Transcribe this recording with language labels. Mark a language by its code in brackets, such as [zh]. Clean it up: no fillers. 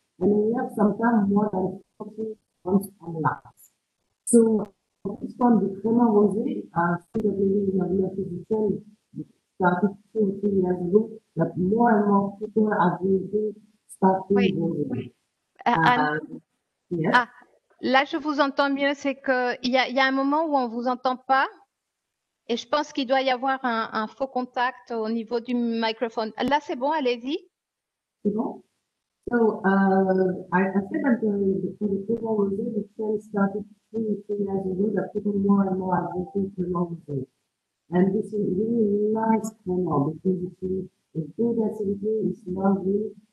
[en] And we have sometimes more than 40 months on the last. So, for this one, the Cremo Rosé, still believe in the acquisition, started 2 or 3 years ago, that more and more people are going to start to Wait. Rosé. Yes. [fr] Là, je vous entends mieux, c'est qu'il y a, y a un moment où on ne vous entend pas. Et je pense qu'il doit y avoir un faux contact au niveau du microphone. Là, c'est bon, allez-y. C'est bon? [en] So I said that the for the Cremo Rosé, the trend started 3 or 4 years ago, that people more and more are drinking Cremo Rosé. And this is really nice Cremo because it's really a good acidity, it's lovely.